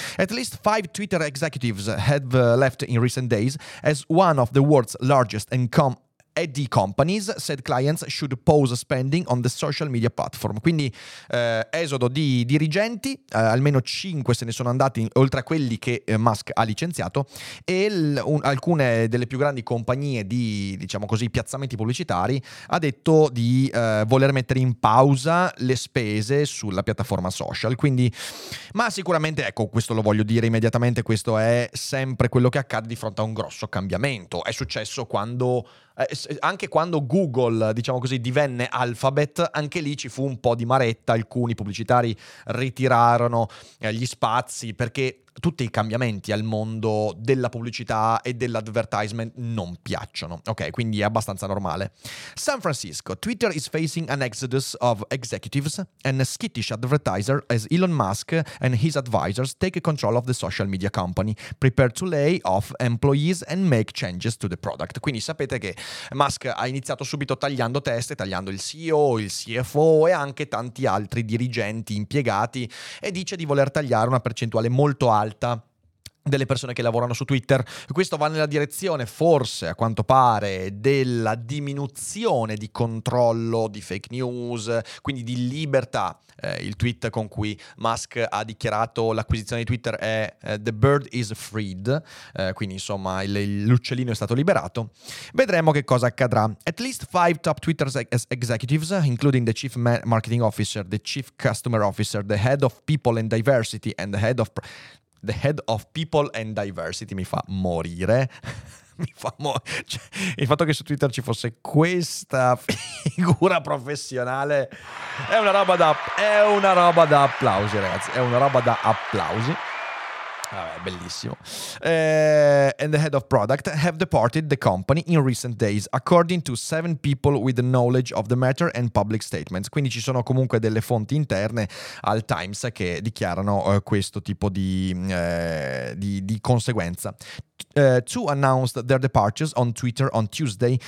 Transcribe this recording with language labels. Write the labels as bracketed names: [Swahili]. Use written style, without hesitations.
[English] At least 5 Twitter executives have left in recent days as one of the world's largest and AD Companies, said clients should pause spending on the social media platform. [Italian] Quindi esodo di dirigenti, almeno 5 se ne sono andati, oltre a quelli che Musk ha licenziato, e alcune delle più grandi compagnie di, diciamo così, piazzamenti pubblicitari ha detto di voler mettere in pausa le spese sulla piattaforma social. Quindi, ma sicuramente, ecco, questo lo voglio dire immediatamente, questo è sempre quello che accade di fronte a un grosso cambiamento. È successo quando anche quando Google, diciamo così, divenne Alphabet, anche lì ci fu un po' di maretta, alcuni pubblicitari ritirarono gli spazi, perché tutti i cambiamenti al mondo della pubblicità e dell'advertisement non piacciono. Ok, quindi è abbastanza normale. San Francisco, Twitter is facing an exodus of executives and a skittish advertiser as Elon Musk and his advisors take control of the social media company, prepare to lay off employees and make changes to the product. Quindi sapete che Musk ha iniziato subito tagliando teste, tagliando il CEO, il CFO e anche tanti altri dirigenti impiegati, e dice di voler tagliare una percentuale molto alta delle persone che lavorano su Twitter. Questo va nella direzione, forse a quanto pare, della diminuzione di controllo di fake news, quindi di libertà. Il tweet con cui Musk ha dichiarato l'acquisizione di Twitter è [English] "The bird is freed", [Italian] quindi insomma l'uccellino è stato liberato. Vedremo che cosa accadrà. [English] At least 5 top Twitter executives, including the chief marketing officer, the chief customer officer, the head of people and diversity and the head of people and diversity, [Italian] mi fa morire. Cioè, il fatto che su Twitter ci fosse questa figura professionale è una roba da applausi, ragazzi. Vabbè, bellissimo. [English] And the head of product have departed the company in recent days, according to 7 people with the knowledge of the matter and public statements. [Italian] Quindi ci sono comunque delle fonti interne al Times che dichiarano questo tipo di conseguenza. [English] Two announced their departures on Twitter on Tuesday.